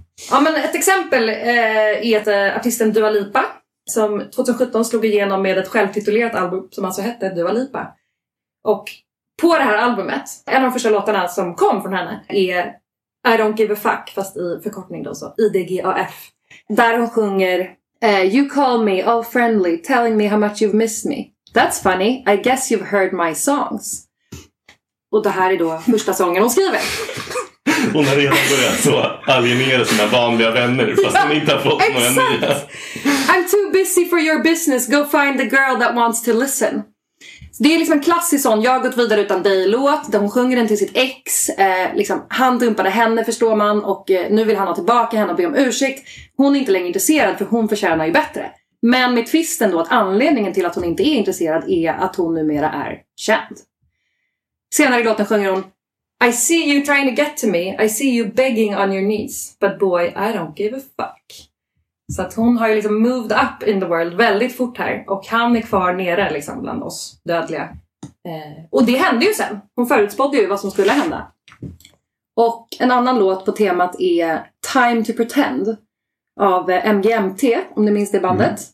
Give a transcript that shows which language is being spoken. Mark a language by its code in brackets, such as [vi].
[sv] Ja, men ett exempel är artisten Dua Lipa. Som 2017 slog igenom med ett självtitulerat album som alltså hette Dua Lipa. Och på det här albumet, en av de första låtarna som kom från henne är I Don't Give a Fuck, fast i förkortning då så. IDGAF. Där hon sjunger [en] You call me all friendly, telling me how much you've missed me. That's funny, I guess you've heard my songs. [sv] Och det här är då första sången hon skriver. Hon har redan börjat så alienera sina vanliga vänner, fast ja, hon inte har fått några nya. [en] I'm too busy for your business, go find the girl that wants to listen. [sv] Det är liksom en klassisk sån, jag har gått vidare utan dig-låt, där hon sjunger den till sitt ex. Liksom, han dumpade henne, förstår man, och nu vill han ha tillbaka henne och be om ursäkt. Hon är inte längre intresserad, för hon förtjänar ju bättre. Men med tvisten då att anledningen till att hon inte är intresserad är att hon numera är känd. Senare i låten sjunger hon [en] I see you trying to get to me, I see you begging on your knees, but boy, I don't give a fuck. [sv] Så att hon har ju liksom [en] moved up in the world [sv] väldigt fort här och han är kvar nere liksom bland oss dödliga. Och det hände ju sen. Hon förutspådde ju vad som skulle hända. Och en annan låt på temat är Time to Pretend. Av MGMT, om ni minns det bandet.